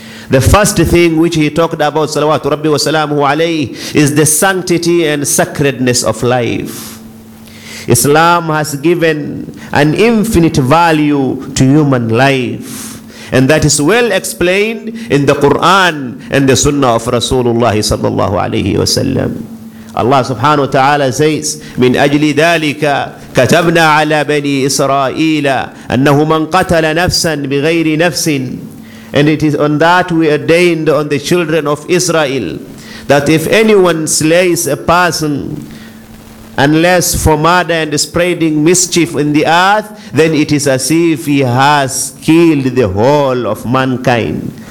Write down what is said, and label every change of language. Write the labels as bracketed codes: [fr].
[en] The first thing which he talked about, salawatu rabbi wa salamuhu alayhi, is the sanctity and sacredness of life. Islam has given an infinite value to human life, and that is well explained in the Quran and the Sunnah of Rasulullah sallallahu alayhi wa sallam. Allah subhanahu wa ta'ala says, [ar] من أجل ذلك كتبنا على بني إسرائيل أنه من قتل نفسا بغير نفس. [en] And it is on that we ordained on the children of Israel that if anyone slays a person unless for murder and spreading mischief in the earth, then it is as if he has killed the whole of mankind.